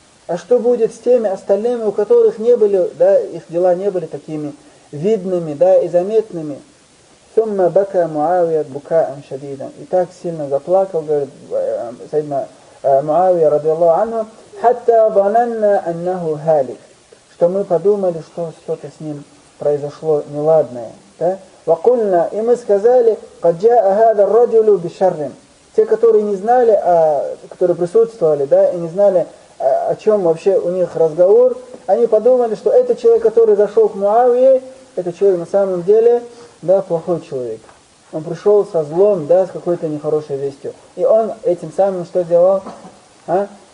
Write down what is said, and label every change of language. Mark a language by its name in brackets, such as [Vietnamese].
[Russian] А что будет с теми остальными, у которых не были, да, их дела не были такими видными, да, и заметными? [Arabic] ثُمَّ بَكَى مُعَاوِيَ بُكَاءً شَدِيدًا. [Russian] И так сильно заплакал, говорит Саидна Муавия, радиаллаху анху, [Arabic] حَتَّى ظَنَنَّا أَنَّهُ هَالِكَ. [Russian] Что мы подумали, что что-то с ним произошло неладное. Да? [Arabic] وَقُلْنَا. [Russian] И мы сказали, [Arabic] قَدْ جَاءَ هَذَا الرَّجُلُ بِشَرٍ. [Russian] Те, которые не знали, которые присутствовали, да, и не знали, о чем вообще у них разговор, они подумали, что этот человек, который зашел к Муавии, этот человек на самом деле, да, плохой человек. Он пришел со злом, да, с какой-то нехорошей вестью. И он этим самым что сделал? А?